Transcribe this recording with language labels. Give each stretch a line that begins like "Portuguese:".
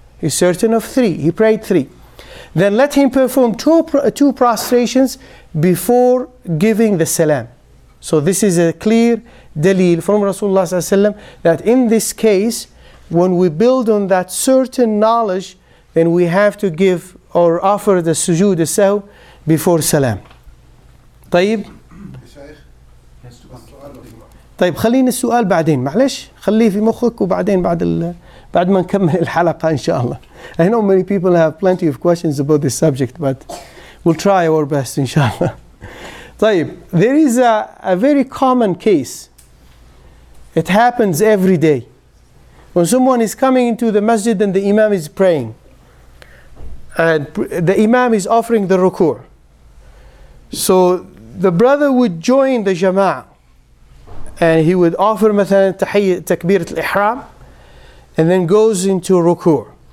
English: He's certain of three, he prayed three. Then let him perform two prostrations before giving the salam. So this is a clear dalil from Rasulullah ﷺ that in this case, when we build on that certain knowledge, then we have to give or offer the sujood as-sahw before salam.
Arabic: طيب. طيب خلينا السؤال بعدين معلش خليه في مخك وبعدين بعد ال بعد ما نكمل الحلقة إن شاء الله.
English: I know many people have plenty of questions about this subject, but we'll try our best, inshallah. طيب, there is a very common case. It happens every day. When someone is coming into the masjid and the imam is praying, and the imam is offering the ruku', so the brother would join the jama'ah, and he would offer, مثلا, takbirat al-ihram, and then goes into ruku'.